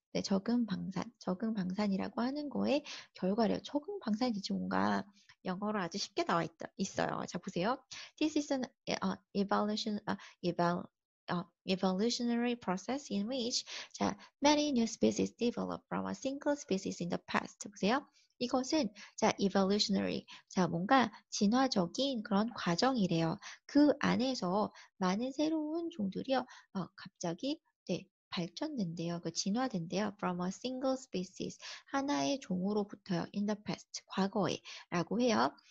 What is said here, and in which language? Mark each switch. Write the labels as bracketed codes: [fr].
[ko] 네, 적응 방산이라고 하는 거에 결과래요. 적응 방산이 대체 뭔가 영어로 아주 쉽게 있어요. 자, 보세요. [en] This is an evolutionary process in which 자, many new species develop from a single species in the past. [ko] 보세요. 이것은 자, evolutionary. 자, 뭔가 진화적인 그런 과정이래요. 그 안에서 많은 새로운 종들이요. 갑자기 네. 발전된대요. 그 진화된대요. [en] From a single species. [ko] 하나의 종으로부터요. [en] In the past. [ko] 과거에. 라고 해요.